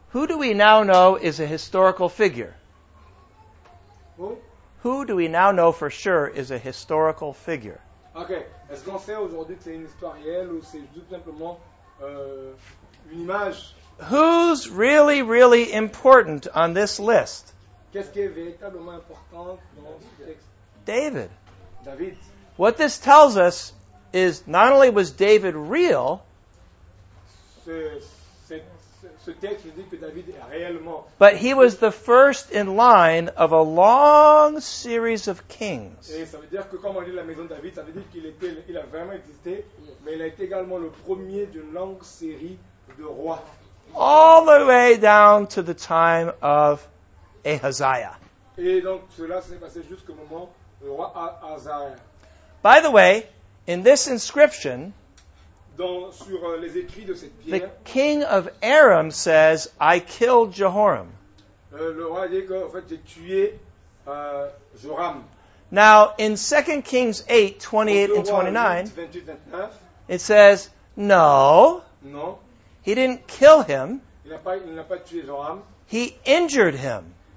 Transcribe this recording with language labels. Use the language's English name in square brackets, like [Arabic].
[English] Who do we now know is a historical figure? Who? Who do we now know for sure is a historical figure? Okay. [French] Est-ce qu'on sait aujourd'hui que c'est une histoire réelle ou c'est tout simplement une image? [English] Who's really, really important on this list? [French] Qu'est-ce qui est véritablement important dans ce texte? [English] David. David. What this tells us is not only was David real, but he was the first in line of a long series of kings. [French] Et ça veut dire que comme on lit la maison de David, ça veut dire qu'il était, il a vraiment existé, mais il a été également le premier d'une longue série de rois. [English] All the way down to the time of Ahaziah. [French] Et donc cela s'est passé jusqu'au moment du roi Ahaziah. [English] By the way, in this inscription, [French] les écrits de cette pierre, [English] the king of Aram says, I killed Jehoram. [French] Le roi dit que, en fait, j'ai tué, Joram. [English] Now, in 2 Kings 8, 28 and 29, [French] 28-29, [English] it says, no, [French] non, [English] he didn't kill him. [French] Il n'a pas tué Joram. [English] He injured him.